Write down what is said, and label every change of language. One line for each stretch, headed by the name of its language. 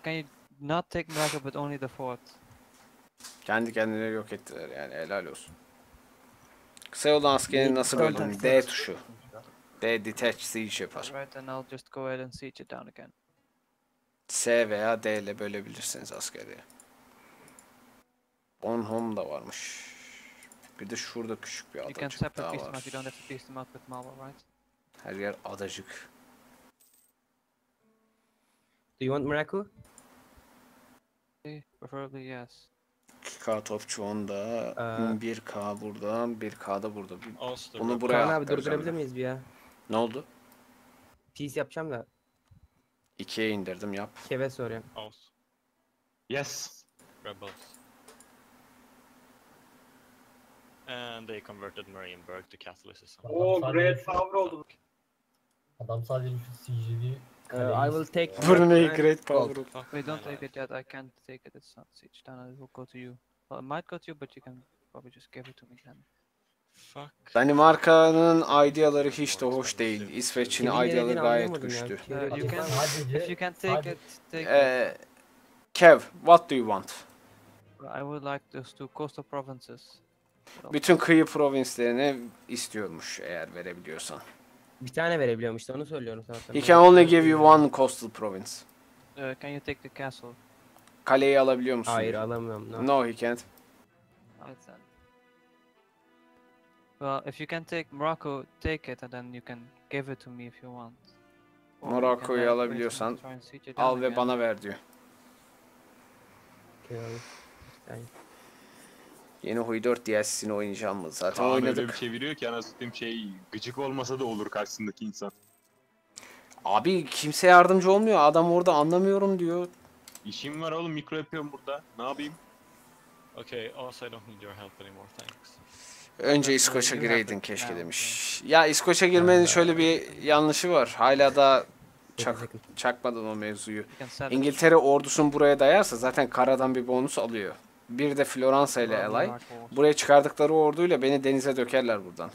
English: Can you not take Miracle but only the fort?
Turkish: Kendi kendine yok ettiler yani, helal olsun. Kısa yoldan askerini nasıl öldün? D tuşu. D detach siege yapar.
English: Right, and I'll just go ahead and siege it down again.
Turkish: S veya D ile bölebilirsiniz askeri. On home da varmış. Bir de şurada küçük bir adacık daha var. Her yer adacık.
English: Do you want Miracle? Preferably yes.
Turkish: 2K topçu onda. 1K buradan, 1K da burada. Bunu buraya abi durdurabilir miyiz bir ya? Ne oldu? PC yapacağım da. 2'ye indirdim, yap. Keve soruyorum.
English: Yes. Rebels. And they converted Marienburg to Catholicism.
Turkish: Oh, great power oldu. Adam sadece CG'li.
English: I will take Brunei great power. We don't take it yet. I can't take it. It's not siege done. It will go to you. Well, it might go to you, but you can probably just give it to me then. Fuck.
Turkish: Danimarka'nın ideaları hiç de hoş değil. İsveç'in ideaları gayet güçlü.
English: You can, if you can take it, take it. Kev, what do you want? I would like those two coastal provinces.
Turkish: Bütün kıyı provinslerini istiyormuş eğer verebiliyorsan. Bir tane verebiliyormuş, onu söylüyorum sana.
English: He can only give you one coastal province. Can you take the castle?
Turkish: Kaleyi alabiliyor musun? Hayır, diye. Alamıyorum. No.
English: No, he can't. Well, if you can take Morocco, take it and then you can give it to me if you want.
Turkish: Morocco'yu alabiliyorsan al ve bana ver diyor. Yeni Huy 4 DLC'sini oynayacağım mı? Zaten Kaan oynadık. Kaan öyle bir çeviriyor ki anasıttığım şey gıcık olmasa da olur karşısındaki insan. Abi kimse yardımcı olmuyor. Adam orada anlamıyorum diyor. İşim var oğlum, mikro yapıyorum burada. Ne yapayım?
English: Okay, also I don't need your help anymore, thanks.
Turkish: Önce İskoç'a gireydin keşke demiş. Ya İskoç'a girmenin şöyle bir yanlışı var. Hala da çakmadın o mevzuyu. İngiltere ordusunu buraya dayarsa zaten karadan bir bonus alıyor. Bir de Floransa ile Alay. Buraya çıkardıkları orduyla beni denize dökerler buradan.